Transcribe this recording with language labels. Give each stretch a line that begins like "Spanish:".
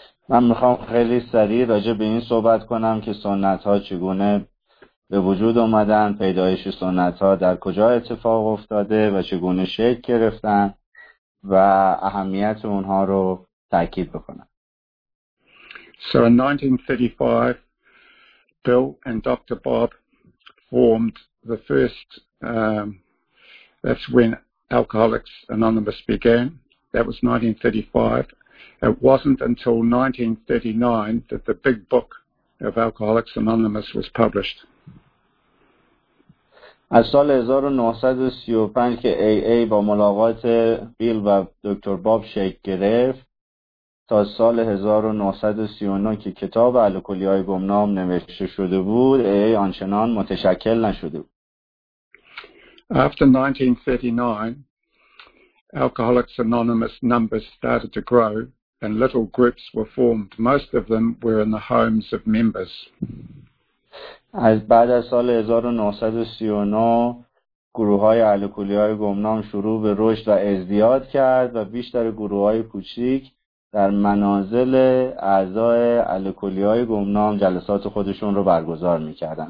Persian: من میخوام خیلی سریع راجع به این صحبت کنم که سنت ها چگونه به وجود اومدن، پیدایش سنت ها در کجا اتفاق افتاده و چگونه شکل گرفتن و اهمیت اونها رو تأکید بکنم.
English: So in 1935, Bill and Dr. Bob formed the first, that's when Alcoholics Anonymous began. That was 1935. It wasn't until 1939 that the big book of Alcoholics Anonymous was published.
Persian: از سال 1935 که AA با ملاقات بیل و دکتر باب شکل گرفت تا سال 1939 که کتاب الکلی های گمنام نوشته شده بود AA آنچنان متشکل نشده بود.
English: After 1939, Alcoholics Anonymous numbers started to grow. And little groups were formed. Most of them were in the homes of members.
Persian: از بعد از سال 1939 گروه‌های الکلی‌های گمنام شروع به رشد و ازدیاد کرد و بیشتر گروه‌های کوچک در منازل اعضای الکلی‌های گمنام جلسات خودشون رو برگزار می‌کردن.